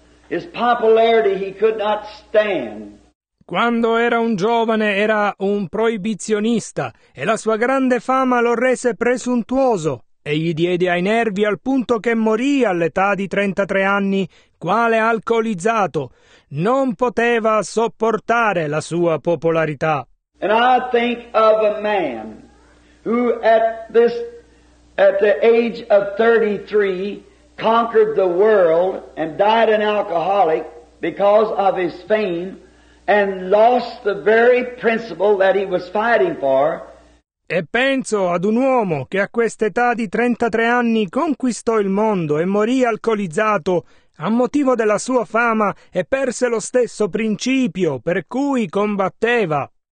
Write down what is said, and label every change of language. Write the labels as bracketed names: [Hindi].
[English] His popularity he could not stand. [Italian] Quando era un giovane era un proibizionista e la sua grande fama lo rese presuntuoso e gli diede ai nervi al punto che morì all'età di 33 anni, quale alcolizzato. Non poteva sopportare la sua popolarità. [English] And I think of a man who at the age of 33 conquered the world and died an alcoholic because of his fame and lost the very principle that he was fighting for. [Italian] E penso ad un uomo che a quest'età di 33 anni conquistò il mondo e morì alcolizzato a motivo della sua fama e perse lo stesso principio per cui combatteva.